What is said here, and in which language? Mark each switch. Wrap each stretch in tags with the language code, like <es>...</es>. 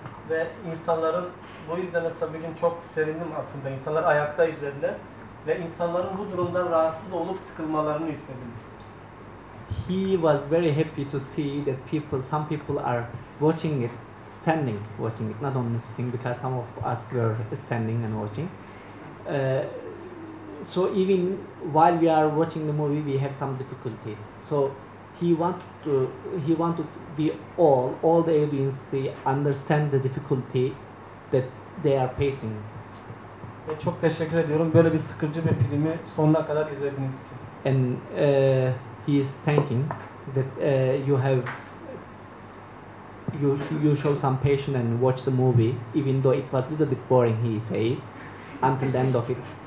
<tr>Ve insanların bu yüzden aslında bugün çok sevindim aslında. İnsanlar ayakta izlediler ve insanların bu durumdan rahatsız olup sıkılmalarını istedim.</tr> <en>he was very happy to see that people, some people are watching it, standing watching it, not only sitting, because some of us were standing and watching. So even while we are watching the movie, we have some difficulty. So he wanted we all the audience to understand the difficulty that they are facing.</en> <tr>Çok teşekkür ediyorum. Böyle bir sıkıcı bir filmi sonuna kadar izlediğiniz için.</tr> <en>And he is thanking that you have you show some patience and watch the movie, even though it was a little bit boring, he says, until the end of it.</en>